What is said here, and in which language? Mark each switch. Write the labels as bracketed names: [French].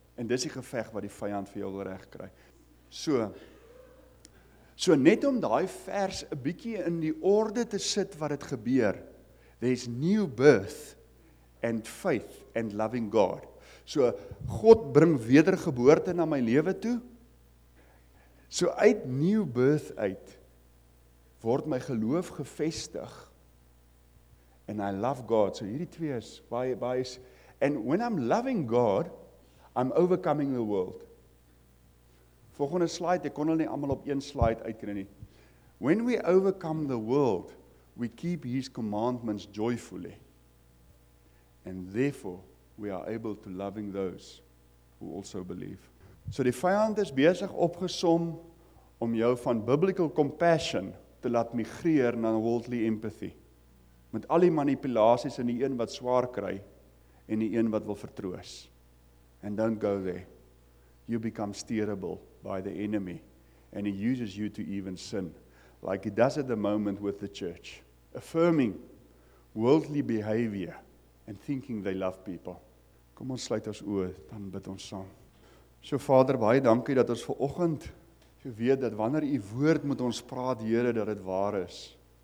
[Afrikaans] En dis die geveg wat die vyand vir jou wil reg kry. So net om daai vers 'n bietjie in die orde te sit wat het gebeur. [English] There's new birth and faith and loving God. [Afrikaans] So God bring wedergeboorte na my lewe toe. So uit new birth uit word my geloof gevestig. [English] And I love God. [Afrikaans] So hierdie twee is baie is, [English] and when I'm loving God, I'm overcoming the world. [Afrikaans] Volgende slide, ek kon hulle nie almal op een slide uitkry nie. [English] When we overcome the world, we keep His commandments joyfully. And therefore, we are able to loving those who also believe. [Afrikaans] So die vyand is besig opgesom om jou van [English] biblical compassion [Afrikaans] te laat migreer na [English] worldly empathy. [Afrikaans] Met al die manipulasies in die een wat swaar kry en die een wat wil vertroos. [English] And don't go there. You become steerable by the enemy, and he uses you to even sin, like he does at the moment with the church, affirming worldly behavior and thinking they love people. [Afrikaans] Kom ons sluit ons oë, dan bid ons saam. So Vader, baie dankie dat ons vanoggend weet dat wanneer u woord met ons praat, Here, dat dit waar is.